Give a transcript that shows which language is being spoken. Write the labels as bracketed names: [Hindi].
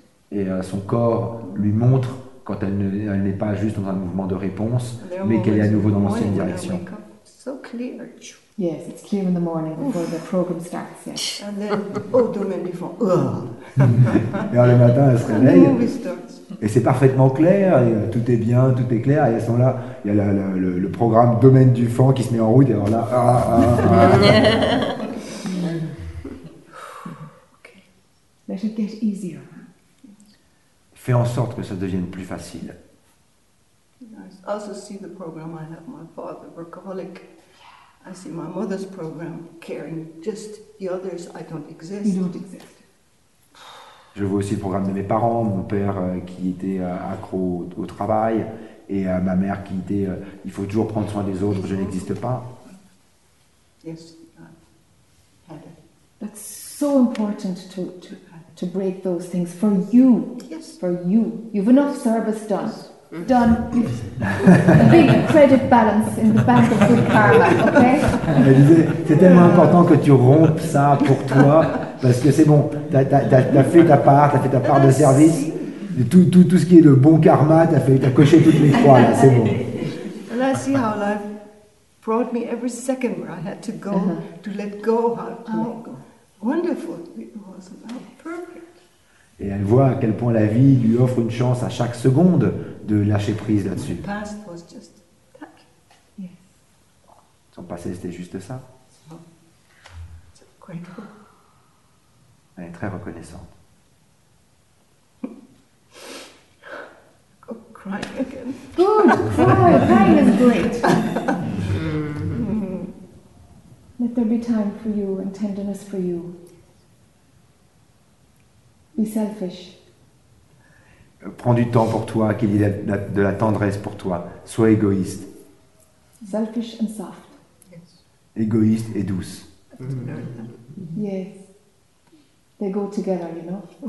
[French] Et son corps lui montre quand elle n'est pas juste dans un mouvement de réponse, mais qu'elle est à nouveau dans l'ancienne direction. [English] So clear. Yes, it's clear in the morning before the program starts. Yes. And then, oh, [French] demain ils font. Et alors, le matin, elle se réveille. Et c'est parfaitement clair, et tout est bien, tout est clair. Et à ce moment-là, il y a le programme Domaine du Fan qui se met en route. Et alors là, [English] Let it get easier. [French] Fais en sorte que ça devienne plus facile. [English] I also see the program I have my father, workaholic. I see my mother's program, caring. Just the others, I don't exist. You don't exist. [French] Je vois aussi le programme de mes parents, mon père qui était accro au travail, et ma mère qui était « il faut toujours prendre soin des autres, je n'existe pas ». [English] Yes, that's so important to break those things for you. Yes, for you. You've enough service done. Done. A big credit balance in the bank of good karma. Okay. [French] Elle disait, c'est tellement important que tu rompes ça pour toi. Parce que c'est bon, t'as fait ta part, t'as fait ta part de service, tout ce qui est de bon karma, t'as coché toutes les croix, là, c'est bon. [English] And I see how life brought me every second where I had to go, to let go, how to let go. Wonderful, it was about perfect. [French] Et elle voit à quel point la vie lui offre une chance à chaque seconde de lâcher prise là-dessus. [English] My past was just that. Yes. [French] Son passé, c'était juste ça. [English] So, it's quite cool. [French] Elle est très reconnaissante. [English] Oh, crying again. Good, crying is great. Mm. there be time for you and tenderness for you. Be selfish. [French] Prends du temps pour toi, qu'il y ait de la tendresse pour toi. Sois égoïste. [English] Selfish and soft. Yes. [French] Égoïste et douce. [English] Mm-hmm. Yes. They go together, you know.